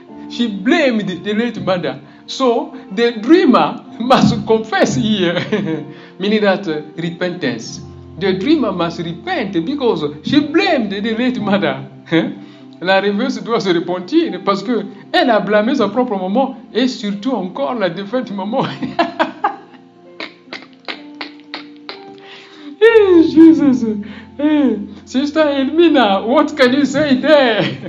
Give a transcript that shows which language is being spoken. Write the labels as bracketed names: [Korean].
[English] She blamed the late mother. So the dreamer must confess here, meaning that repentance. The dreamer must repent because she blamed the late mother. [French] La reveuse doit se repentir parce que elle a blâmé sa propre maman et surtout encore la défunte maman. [English] Hey, Jesus, hey, Sister Hermina, what can you say there?